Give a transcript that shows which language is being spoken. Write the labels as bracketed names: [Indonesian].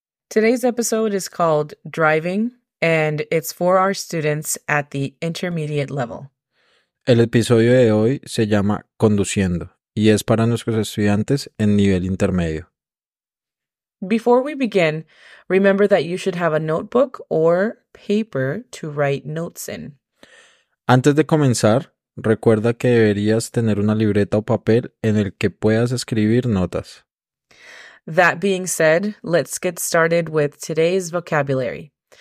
[English] Today's episode is called Driving, and it's for our students at the intermediate level. [Spanish] El episodio de hoy se llama Conduciendo, y es para nuestros estudiantes en nivel intermedio. [English] Before we begin, remember that you should have a notebook or paper to write notes in. [Spanish] Antes de comenzar, recuerda que deberías tener una libreta o papel en el que puedas escribir notas. [English] That being said, let's get started with today's vocabulary.